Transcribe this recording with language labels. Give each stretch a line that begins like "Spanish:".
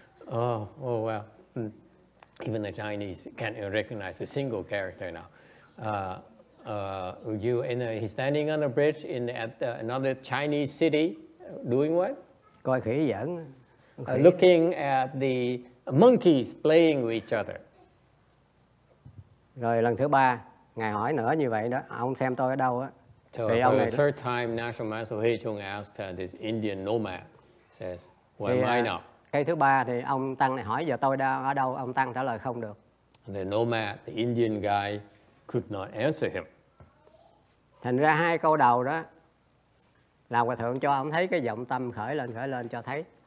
English: Oh, wow. Even the Chinese can't recognize a single character now. He's standing on a bridge at another Chinese city, doing what?
Vietnamese: Coi khỉ giỡn.
English: Looking at the monkeys playing with each other.
Vietnamese: Rồi lần thứ ba, ngài hỏi nữa như vậy đó. Ông xem tôi ở đâu á?
English: So
Vietnamese: thì ông này
English: the third time, National Master Hui Chung asked this Indian nomad, says, "Where am I now?"
Vietnamese: Cái thứ ba thì ông tăng này hỏi giờ tôi đang ở đâu? Ông tăng trả lời không được.
English: And the nomad, the Indian guy. Could not answer him.
Vietnamese: Thành ra hai câu đầu đó là hòa thượng cho ông thấy cái vọng tâm khởi lên cho thấy.